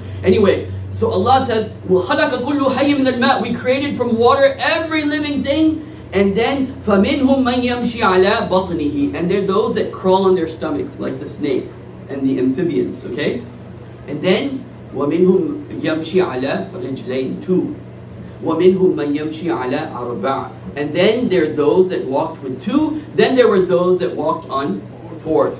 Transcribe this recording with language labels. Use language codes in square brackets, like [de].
[en] Anyway, so Allah says, [ar] وَخَلَقَ كُلُّ حَيٍّ مِنَ الْمَاءِ. [en] We created from water every living thing. And then, [ar] فَمِنْهُمْ مَنْ يَمْشِي عَلَى بَطْنِهِ. [en] And they're those that crawl on their stomachs, like the snake and the amphibians, okay? And then, [ar] وَمِنْهُمْ يَمْشِي عَلَى رِجْلَيْنِ [en] too. [ar] وَمِنْهُمْ مَنْ يَمْشِي عَلَىٰ أَرْبَعٍ. [en] And then there are those that walked with two, then there were those that walked on four.